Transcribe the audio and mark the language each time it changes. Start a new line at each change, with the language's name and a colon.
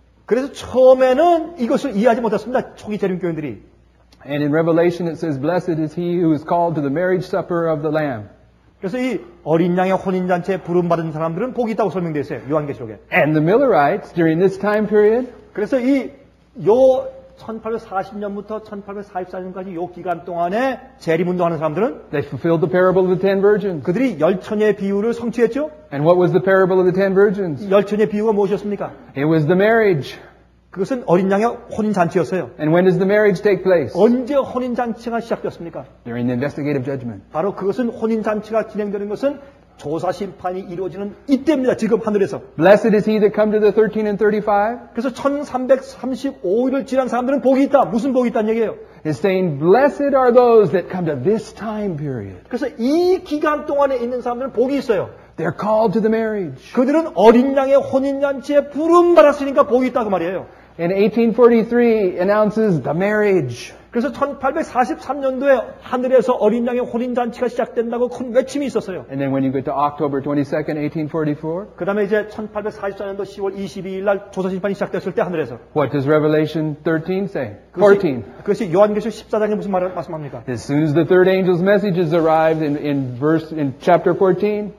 Korean: 그래서 처음에는 이것을 이해하지 못했습니다. 초기 재림 교인들이.
English: And in Revelation it says, "Blessed is he who is called to the marriage supper of the Lamb."
Korean: 그래서 이 어린 양의 혼인 잔치에 부름 받은 사람들은 복이 있다고 설명돼 있어요. 요한계시록에.
English: And the Millerites during this time period.
Korean: 그래서 이 요 1840년부터 1844년까지 이 기간 동안에 재림 운동하는 사람들은
English: They fulfilled the parable of the ten virgins.
Korean: 그들이 열 처녀의 비유를 성취했죠.
English: And what was the parable of the ten virgins?
Korean: 열 처녀의 비유가 무엇이었습니까?
English: It was the marriage.
Korean: 그것은 어린 양의 혼인 잔치였어요.
English: And when does the marriage take place?
Korean: 언제 혼인 잔치가 시작되었습니까?
English: During the investigative judgment.
Korean: 바로 그것은 혼인 잔치가 진행되는 것은 조사 심판이 이루어지는 이때입니다. 지금 하늘에서.
English: Blessed is he that come to the 13 and 35.
Korean: 그래서 1335일을 지난 사람들은 복이 있다. 무슨 복이 있다는 얘기예요?
English: He's saying blessed are those that come to this time period.
Korean: 그래서 이 기간 동안에 있는 사람들은 복이 있어요.
English: They're called to the marriage.
Korean: 그들은 어린 양의 혼인 잔치에 부름 받았으니까 복이 있다 그 말이에요.
English: And 1843 announces the marriage.
Korean: 그래서 1843년도에 하늘에서 어린 양의 혼인 잔치가 시작된다고 큰 외침이 있었어요.
English: And then when you get to October 22nd, 1844.
Korean: 그다음에 이제 1844년도 10월 22일 날 조서 심판이 시작됐을 때 하늘에서.
English: What does Revelation 13 say? 14.
Korean: 그것이 요한계시록 14장에 무슨 말을 말씀합니까?
English: As soon as the third angel's messages arrived in chapter 14.